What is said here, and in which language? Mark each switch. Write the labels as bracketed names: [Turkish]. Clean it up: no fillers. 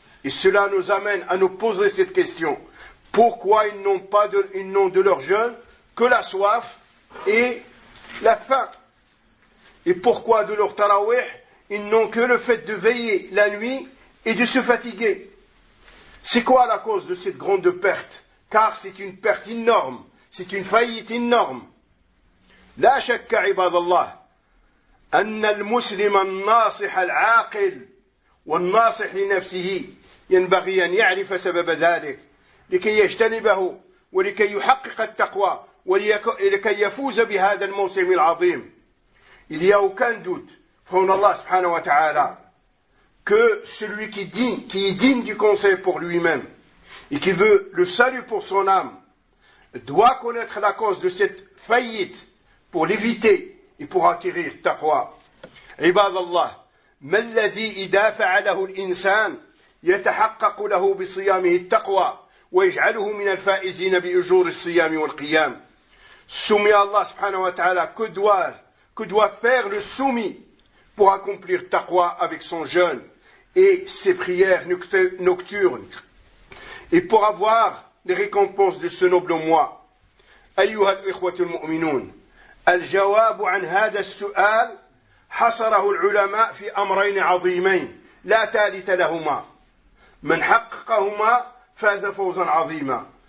[French] Et cela nous amène à nous poser cette question. Pourquoi ils n'ont de leur jeûne que la soif et la faim? Et pourquoi de leur taraweh, ils n'ont que le fait de veiller la nuit et de se fatiguer? C'est quoi la cause de cette grande perte? Car c'est une perte énorme, c'est une faillite énorme. [Arabic] لا شك عباد الله أن المسلم الناصح العاقل والناصح لنفسه ينبغي أن يعرف سبب ذلك لكي يجتنبه ولكي يحقق التقوى ولكي يفوز بهذا الموسم العظيم. [French] Il y a aucun doute, [Arabic] فهو الله سبحانه وتعالى, [French] que celui qui est digne du conseil pour lui-même et qui veut le salut pour son âme doit connaître la cause de cette faillite pour l'éviter et pour acquérir taqwa. [Arabic] عباد الله ما الذي يدافع له الانسان يتحقق له بصيامه التقوى ويجعله من الفائزين باجور الصيام والقيام. [French] Soumis à Allah subhanahu wa ta'ala, que doit faire le soumis pour accomplir taqwa avec son jeûne et ses prières nocturnes et pour avoir des récompenses de ce noble mois? [Arabic] ايها الاخوه المؤمنون, الجواب عن هذا السؤال حصره العلماء في أمرين عظيمين لا ثالث لهما, من حققهما فاز فوزا عظيما.